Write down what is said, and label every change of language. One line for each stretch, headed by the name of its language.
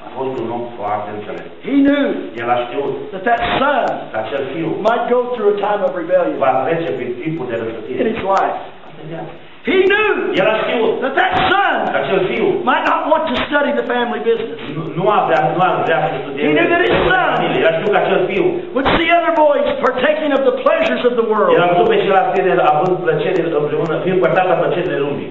Romanian: A fost un om foarte înțelept.
English: He knew
Romanian: el a știut
English: that son
Romanian: acel fiu
English: might go through a time of rebellion.
Romanian: Va trece prin timpul de răzvrătire.
English: In his life. He knew
Romanian: el a știut
English: that son
Romanian: acel fiu
English: might not want to study the family business.
Romanian: Nu ar vrea să studieze.
English: He knew that his son
Romanian: a știut că acel fiu
English: would see other boys partaking of the pleasures of the world.
Romanian: El a văzut pe celălalt tine având plăcerile împreună, fiind părtat la plăcerile lumii.